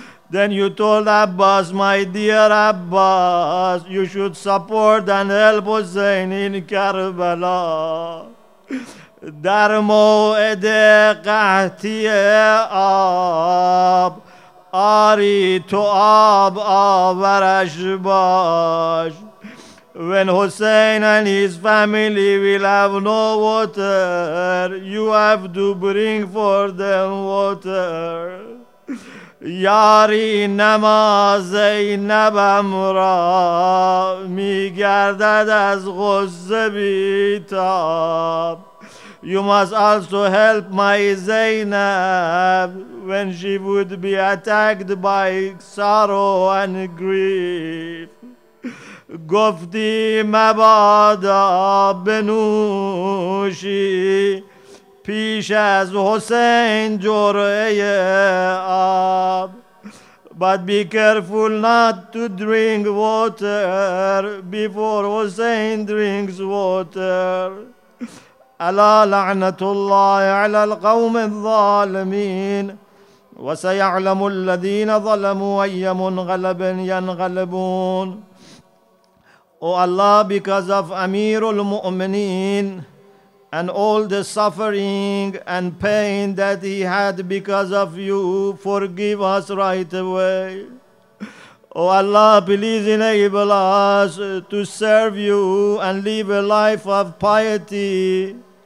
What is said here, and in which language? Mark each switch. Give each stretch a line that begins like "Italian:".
English: Then you told Abbas, my dear Abbas, you should support and help Hussein in Karbala.
Persian: در موعد قحطی آب آری تو آب آورش باش.
English: When Hussein and his family will have no water, you have to bring for them water.
Persian: یاری نماز نبم را می گردد از غصه بیتاب.
English: You must also help my Zainab when she would be attacked by sorrow and grief.
Persian: گفتی مبادا بنوشی پیش از حسین جرعه آب.
English: But be careful not to drink water before حسین drinks water.
Arabic: الا لعنت الله على القوم الظالمين وسيعلم الذين ظلموا أي منقلب ينقلبون.
English: O Allah, because of Amirul Mu'mineen and all the suffering and pain that he had because of you, forgive us right away. O Allah, please enable us to serve you and live a life of piety.